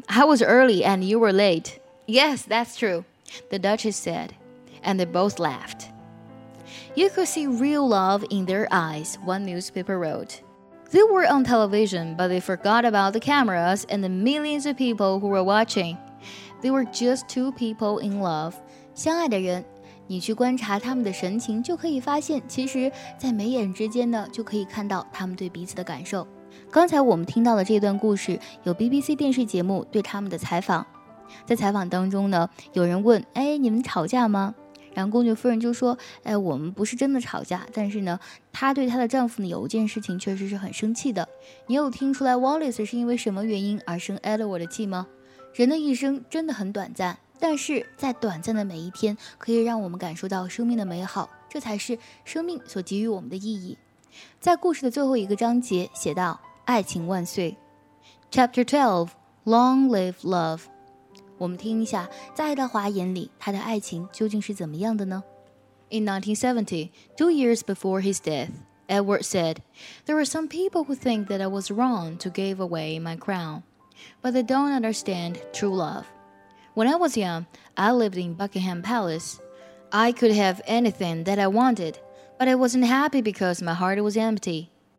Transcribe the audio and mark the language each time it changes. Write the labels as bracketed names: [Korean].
[English] I was early and you were late. Yes, that's true. The Duchess said, and they both laughed. You could see real love in their eyes, one newspaper wrote. They were on television, but they forgot about the cameras and the millions of people who were watching. They were just two people in love. [Chinese] 相爱的人，你去观察他们的神情，就可以发现，其实在眉眼之间呢，就可以看到他们对彼此的感受。刚才我们听到的这段故事，有 BBC 电视节目对他们的采访。在采访当中呢，有人问，哎，你们吵架吗？然后公爵夫人就说，哎，我们不是真的吵架，但是呢，她对她的丈夫呢，有一件事情确实是很生气的。你有听出来 Wallace 是因为什么原因而生 Edward 的气吗？人的一生真的很短暂，但是在短暂的每一天，可以让我们感受到生命的美好，这才是生命所给予我们的意义。在故事的最后一个章节写道，爱情万岁。 [English] Chapter 12, Long Live Love. [Chinese] 我们听一下，在爱德华眼里，他的爱情究竟是怎么样的呢？ [English] In 1970, 2 years before his death, Edward said, There are some people who think that I was wrong to give away my crown, but they don't understand true love. When I was young, I lived in Buckingham Palace. I could have anything that I wanted, but I wasn't happy because my heart was empty.